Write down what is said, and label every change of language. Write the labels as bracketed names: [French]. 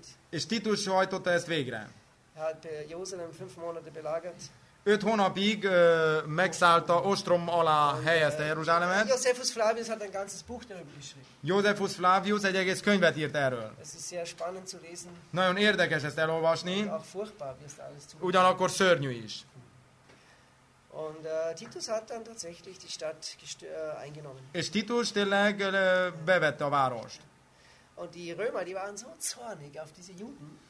[Hungarian] És Titus hajtotta ezt végre. Jeruzsálem 5 hónapot belagert. 5 hónapig megszállta, ostrom alá helyezte Jeruzsálemet. [German] Josephus Flavius hat ein ganzes Buch darüber geschrieben. [Hungarian] Josephus Flavius egy egész könyvet írt erről. [German] Es ist sehr spannend zu lesen. [Hungarian] Nagyon érdekes ezt elolvasni. [German] Auch furchtbar, wie es alles tut. [Hungarian] Ugyanakkor szörnyű is. [German] Und Titus hat dann tatsächlich die Stadt eingenommen. [Hungarian] És Titus tényleg bevette a várost. [German] Und die Römer, die waren so zornig auf diese Juden.